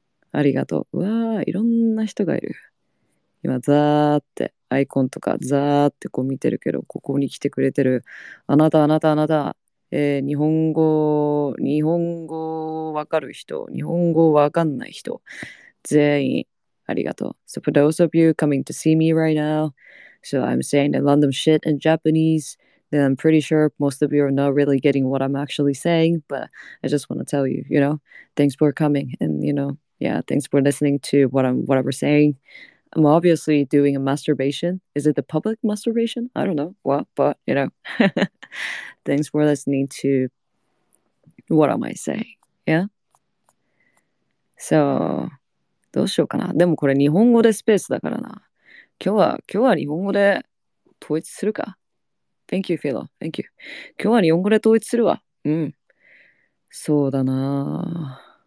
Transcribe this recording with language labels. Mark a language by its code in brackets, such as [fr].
[ja] ありがとう。うわー、いろんな人がいる。今、ザーって、アイコンとか、ザーってこう見てるけど、ここに来てくれてる、あなた、日本語わかる人、日本語わかんない人、全員、ありがとう。 [en] So for those of you coming to see me right now, so I'm saying the random shit in Japanese, then I'm pretty sure most of you are not really getting what I'm actually saying, but I just want to tell you, you know, thanks for coming, and you know,Yeah, thanks for listening to whatever saying. I'm obviously doing a masturbation. Is it the public masturbation? I don't know. Well, but, you know. thanks for listening to what am I saying? Yeah? So, [ja] どうしようかな。でもこれ日本語でスペースだからな。今日は日本語で統一するか。 [en] Thank you, Philo. Thank you. [ja] 今日は日本語で統一するわ。うん。そうだな。